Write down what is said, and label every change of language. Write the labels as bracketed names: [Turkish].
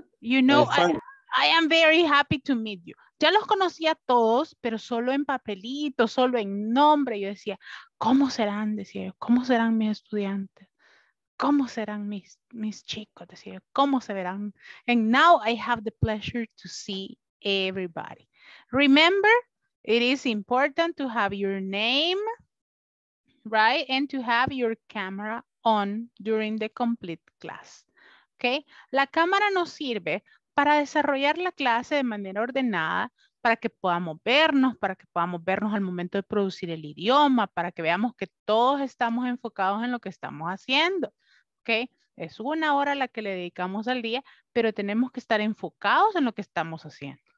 [English] You know, I am very happy to meet you. [Spanish] Ya los conocí a todos, pero solo en papelito, solo en nombre. Yo decía, ¿cómo serán? Decía yo, ¿cómo serán mis estudiantes? ¿Cómo serán mis chicos? Decía yo, ¿cómo se verán? [English] And now I have the pleasure to see everybody. Remember, it is important to have your name, right, and to have your camera on during the complete class, okay? [Spanish] La cámara nos sirve para desarrollar la clase de manera ordenada, para que podamos vernos, para que podamos vernos al momento de producir el idioma, para que veamos que todos estamos enfocados en lo que estamos haciendo, okay? Es una hora la que le dedicamos al día, pero tenemos que estar enfocados en lo que estamos haciendo.